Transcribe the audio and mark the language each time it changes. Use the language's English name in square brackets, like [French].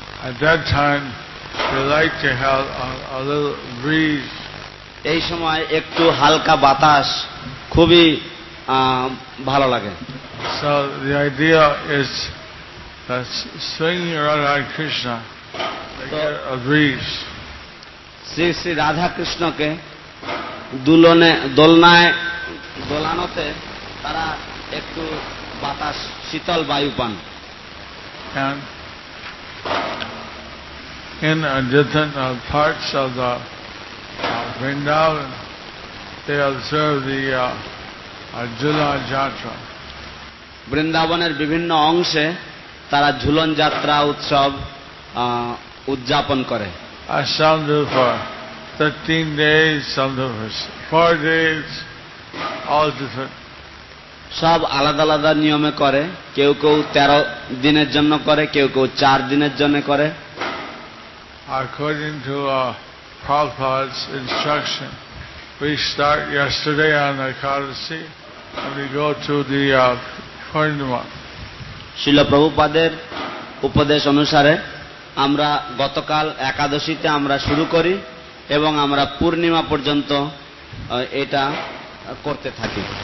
[English] At that time, we like to have a little breeze. [Bangla] এই সময় একটু হালকা বাতাস খুবই ভালো লাগে. [English] So the idea is that swinging around Hare Krishna, they get a breeze. [Bangla] Shri Shri Radha কৃষ্ণকে দুলনে দোলনায় দোলানোতে তারা একটু বাতাস শীতল বায়ু পান. [English] And in different parts of the Vrindavan, they observe the Julan Jatra. [Bangla] বৃন্দাবনের বিভিন্ন অংশে তারা ঝুলন যাত্রা উৎসব উদযাপন করে. [English] Some do for 13 days, some do for 4 days, all different. [Bangla] সব আলাদা আলাদা নিয়মে করে, কেউ কেউ 13 দিনের জন্য করে, কেউ কেউ 4 দিনের জন্য করে. [English] According to Prabhupada's instruction, we start yesterday on Ekadasi and we go to the Purnima. [Bangla] Srila প্রভুপাদের উপদেশ অনুসারে আমরা গতকাল একাদশীতে আমরা শুরু করি এবং আমরা পূর্ণিমা পর্যন্ত এটা করতে থাকি.